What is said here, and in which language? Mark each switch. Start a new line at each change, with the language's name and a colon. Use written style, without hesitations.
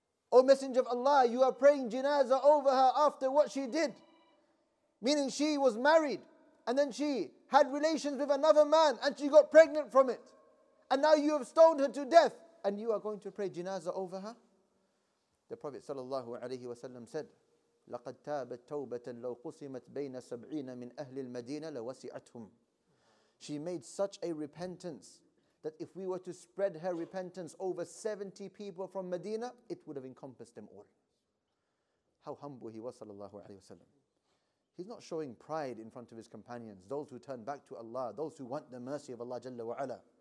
English: O Messenger of Allah, you are praying Jinazah over her after what she did?" Meaning she was married and then she had relations with another man and she got pregnant from it. And now you have stoned her to death and you are going to pray Jinazah over her? The Prophet sallallahu alayhi wasallam said,
Arabic: "لقد تابت توبة لو قسمت بين سبعين من أهل المدينة لوسعتهم."
English: She made such a repentance that if we were to spread her repentance over 70 people from Medina, it would have encompassed them all. How humble he was, sallallahu alayhi wa sallam. He's not showing pride in front of his companions, those who turn back to Allah, those who want the mercy of Allah jalla wa ala.